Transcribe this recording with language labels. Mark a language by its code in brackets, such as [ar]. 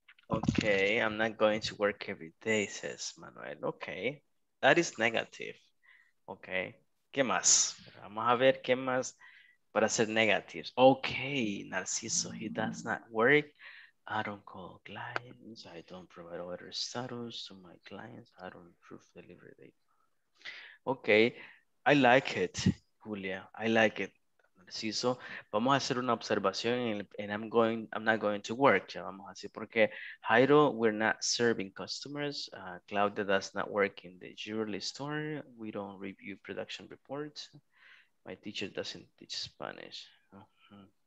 [en] Okay, I'm not going to work every day, says Manuel. Okay, that is negative. Okay, [es] ¿qué más? Vamos a ver qué más para ser negatives. [en] Okay, Narciso, he does not work. I don't call clients. I don't provide order status to my clients. I don't approve delivery date. Okay, I like it, Julia. I like it, Sí, so, [es] vamos a hacer una observación [en] and I'm not going to work, [es] ya vamos a decir, porque [en] Jairo, we're not serving customers, Claudia does not work in the jewelry store, we don't review production reports, my teacher doesn't teach Spanish. Uh-huh.